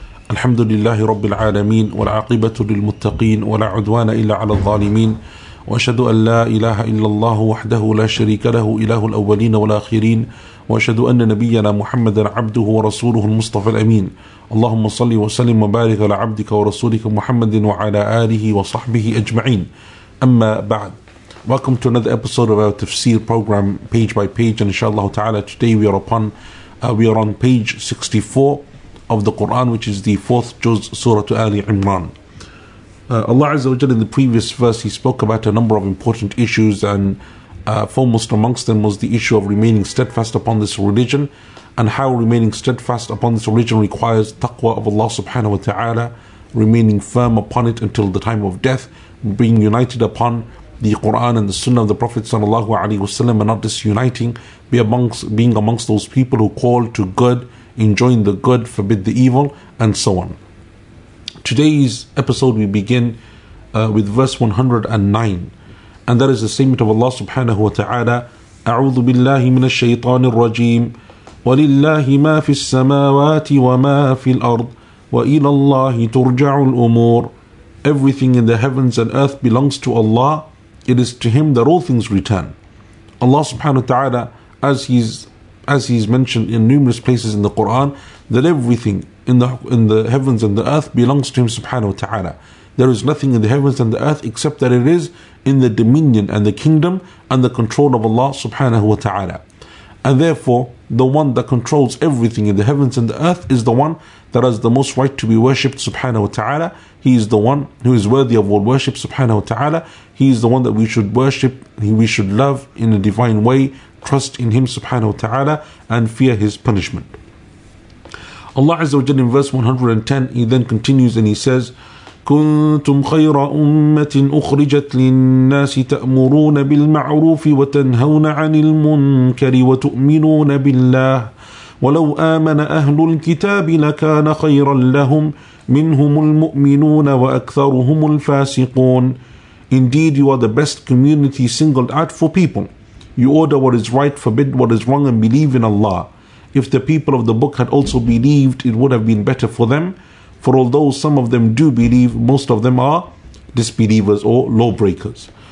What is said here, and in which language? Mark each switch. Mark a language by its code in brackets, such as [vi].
[ar] الحمد لله رب العالمين، والعاقبة للمتقين، ولا عدوان إلا على الظالمين، وأشهد أن لا إله إلا الله وحده لا شريك له، إله الأولين والآخرين، وأشهد أن نبينا محمدا عبده ورسوله المصطفى الأمين. اللهم صل وسلم وبارك على عبدك ورسولك محمد وعلى آله وصحبه أجمعين. أما بعد، [en] welcome to another episode of our Tafsir program, page by page. And inshallah ta'ala, today we are on page 64 of the Quran, which is the fourth juz, Surah Ali Imran. Allah Azza wa Jalla, in the previous verse, he spoke about a number of important issues, and foremost amongst them was the issue of remaining steadfast upon this religion, and how remaining steadfast upon this religion requires taqwa of Allah subhanahu wa ta'ala, remaining firm upon it until the time of death, being united upon the Quran and the Sunnah of the Prophet sallallahu alaihi wasallam, and not disuniting, being amongst those people who call to good, enjoin the good, forbid the evil, and so on. Today's episode we begin with verse 109. And that is the statement of Allah subhanahu wa ta'ala, [ar] أعوذ بالله من الشيطان الرجيم ولله ما في السماوات وما في الأرض وإلى الله ترجع الأمور. [en] Everything in the heavens and earth belongs to Allah. It is to Him that all things return. Allah subhanahu wa ta'ala, as he's mentioned in numerous places in the Quran, that everything in the heavens and the earth belongs to Him subhanahu wa ta'ala. There is nothing in the heavens and the earth except that it is in the dominion and the kingdom and the control of Allah subhanahu wa ta'ala. And therefore, the one that controls everything in the heavens and the earth is the one that has the most right to be worshipped subhanahu wa ta'ala. He is the one who is worthy of all worship subhanahu wa ta'ala. He is the one that we should worship, we should love in a divine way, trust in Him subhanahu wa ta'ala, and fear His punishment. Allah Azza wa Jalla in verse 110, He then continues and He says, [ar] كنتم خير أمة أخرجت للناس تأمرون بالمعروف وتنهون عن المنكر وتؤمنون بالله ولو آمن أهل الكتاب لكان خيرا لهم منهم المؤمنون وأكثرهم الفاسقون. [en] Indeed, you are the best community singled out for people. You order what is right, forbid what is wrong, and believe in Allah. If the people of the book had also believed, it would have been better for them. For although some of them do believe, most of them are disbelievers or lawbreakers.